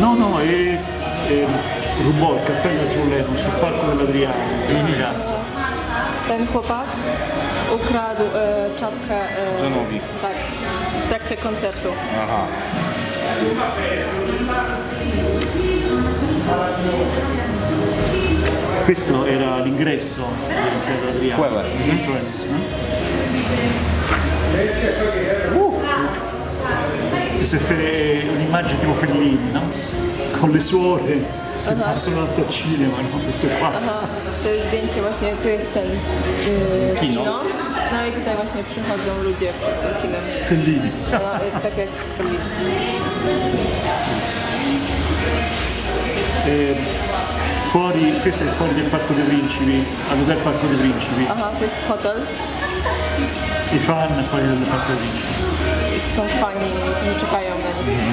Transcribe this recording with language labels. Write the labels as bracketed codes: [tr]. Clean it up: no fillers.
[it] No, è rumore, cappella giù l'erba sul palco dell'Adriano. [pl] Ten chłopak ukradł czapkę Johnowi. Tak, w trakcie koncertu. Aha. [it] Questo era l'ingresso dell'Adriano. Quella. [en] Entrance. [it] Se fare un'immagine tipo Fellini, no? Con le suore che uh-huh. passano al cinema, no? Queste qua. [pl] Aha, to jest zdjęcie właśnie, tu jest ten kino. No i tutaj właśnie przychodzą ludzie przed tym kinem. [it] Fellini. [pl] No, tak jak Fellini. [it] Fuori, questo è fuori del Parco dei Principi, all'hotel Parco dei Principi. Aha, uh-huh, questo hotel. I fan fuori del Parco dei Principi. [pl] Są fani, którzy czekają na nich.